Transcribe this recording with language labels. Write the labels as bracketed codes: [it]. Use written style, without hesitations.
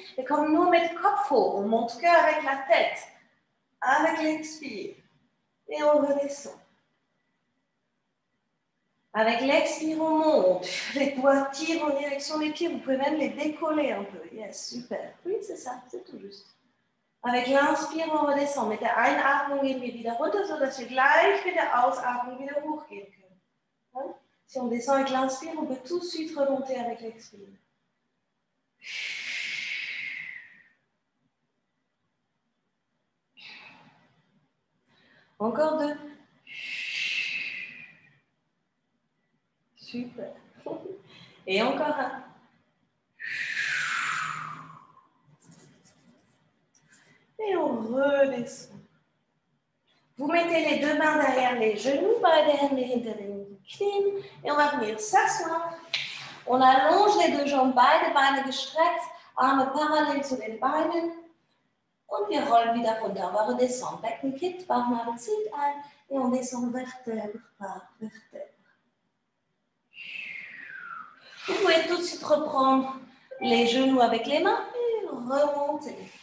[fr] Et comme nous, on met le Kopf hoch, on monte que avec la tête, avec l'expire. Et on redescend. Avec l'expire, on monte. Les doigts tirent en direction des pieds. Vous pouvez même les décoller un peu. Yes, super. Oui, c'est ça, c'est tout juste. Avec l'inspire, on redescend. [de] Mit der Einatmung gehen wir wieder runter, sodass wir gleich mit der Ausatmung wieder hochgehen können. Hein? [fr] Si on descend avec l'inspire, on peut tout de suite remonter avec l'expire. Encore deux. Super. Et encore un. Et on redescend. Vous mettez les deux mains derrière les genoux, [de] beide Hände hinter den Knien. [fr] Et on va venir s'asseoir. On allonge les deux jambes, [de] beide Beine gestreckt, Arme parallel zu den Beinen. Und wir rollen wieder runter. [fr] On va redescendre. [de] Becken kippt, Bauch nach dem Zieht ein. [fr] Et on descend vertèbre par vertèbre. Vous pouvez tout de suite reprendre les genoux avec les mains et remonter.